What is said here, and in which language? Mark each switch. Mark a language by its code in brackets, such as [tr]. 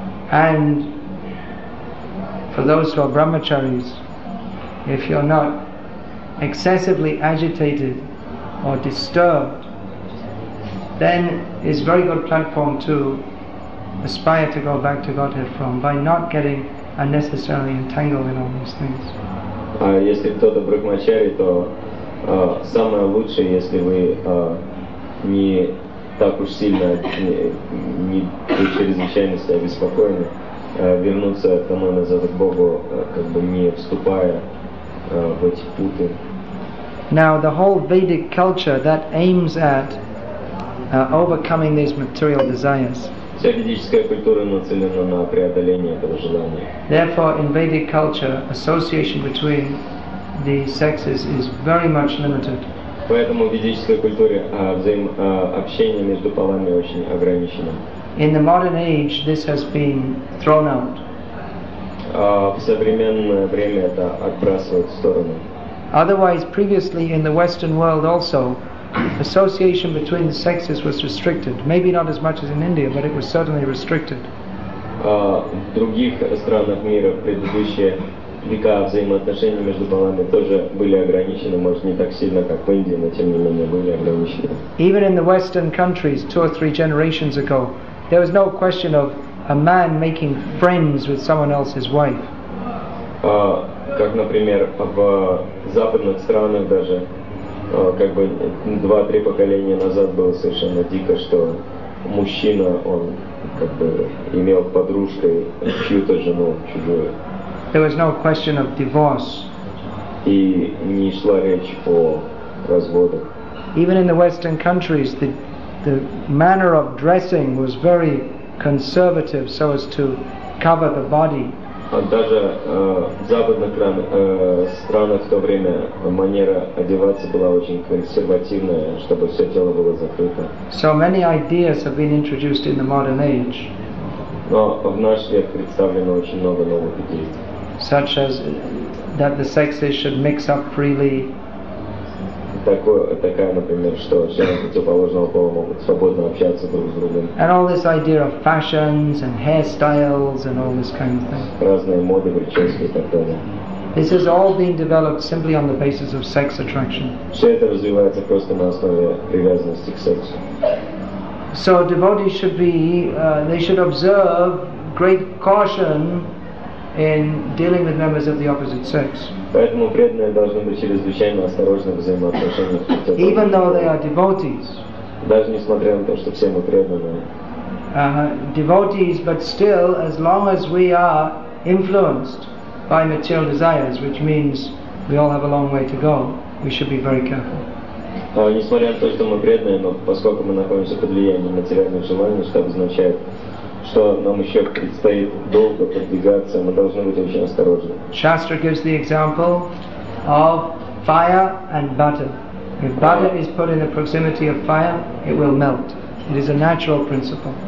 [en] And for those who are brahmacharis, if you're not excessively agitated or disturbed, then it's a very good platform to aspire to go back to Godhead from, by not getting unnecessarily entangled in all these things. [ru] Если кто-то брахмачари, то самое лучшее, если вы не так уж сильно, не чрезвычайно себя беспокоены, вернуться домой назад к Богу, как бы не вступая в эти путы. [en] Now the whole Vedic culture that aims at overcoming these material desires. [ru] Вся ведическая культура нацелена на преодоление этого желания. [en] Therefore, in Vedic culture, association between the sexes is very much limited. [ru] Поэтому в ведической культуре общение между полами очень ограничено. [en] In the modern age, this has been thrown out. [ru] В современное время это отбрасывают в сторону. [en] Otherwise, previously in the Western world also, association between the sexes was restricted. Maybe not as much as in India, but it was certainly restricted. [ru] В других странах мира предыдущие века взаимоотношения между полами тоже были ограничены, может не так сильно, как в Индии, но тем не менее были ограничены. [en] Even in the Western countries, two or three generations ago, there was no question of a man making friends with someone else's wife. [ru] Как, например, в западных странах даже, как бы два-три поколения назад было совершенно дико, что мужчина, он как бы имел подружкой чью-то жену чужую. [en] There was no question of divorce. [ru] И не шла речь о разводах. [en] Even in the Western countries, the manner of dressing was very conservative, so as to cover the body. [ru] Даже в западных странах в то время манера одеваться была очень консервативная, чтобы все тело было закрыто. [en] So many ideas have been introduced in the modern age. [ru] Но в наш век представлено очень много новых идей. [en] Such as that the sexes should mix up freely. [ru] Такая, например, что члены противоположного пола могут свободно общаться друг с другом. [en] And all this idea of fashions and hairstyles and all this kind of thing. [ru] Разные моды, прически и так далее. [en] This has all been developed simply on the basis of sex attraction. [ru] Все это развивается просто на основе привязанности к сексу. [en] So devotees should be, they should observe great caution in dealing with members of the opposite sex. [ru] Поэтому преданные должны быть чрезвычайно осторожны в взаимоотношениях. [en] Even though they are devotees. [ru] Даже несмотря на то, что все мы преданные. [en] Devotees, but still, as long as we are influenced by material desires, which means we all have a long way to go, we should be very careful. [ru] Несмотря на то, что мы преданные, но поскольку мы находимся под влиянием материальных желаний, что означает, что нам еще предстоит долго продвигаться, мы должны быть очень осторожны. [en] Shastra gives the example of fire and butter. If butter is put in the proximity of fire, it will melt. It is a natural principle.